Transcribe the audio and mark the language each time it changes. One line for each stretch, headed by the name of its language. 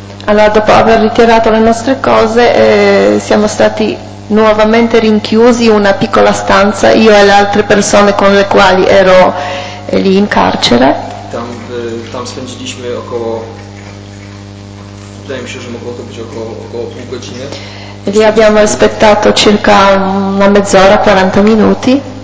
Italian: Allora, dopo aver ritirato le nostre cose, siamo stati nuovamente rinchiusi in una piccola stanza, io e le altre persone con le quali ero lì in carcere.
Polish: Tam spędziliśmy około, wydaje mi się, że mogło to być około pół godziny.
Italian: Lì abbiamo aspettato circa una mezz'ora, 40 minuti.